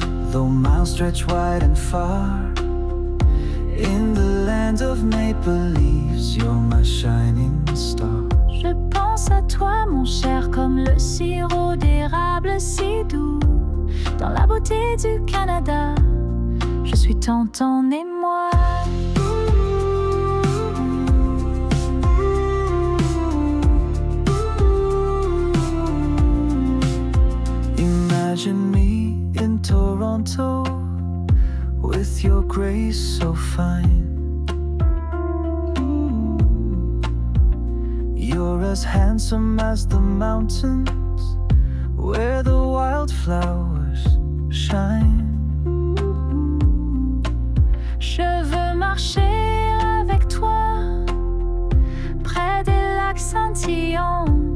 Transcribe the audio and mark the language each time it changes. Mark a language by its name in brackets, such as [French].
[English] Though miles stretch wide and far, in the land of maple leaves, you're my shining star. [French] Je pense à toi, mon cher, comme le sirop d'érable si doux. Dans la beauté du Canada, je suis tant en émoi. [English] Imagine me in Toronto, with your grace so fine. You're as handsome as the mountains, where the wildflowers shine. [French] Je veux marcher avec toi, près des lacs scintillants.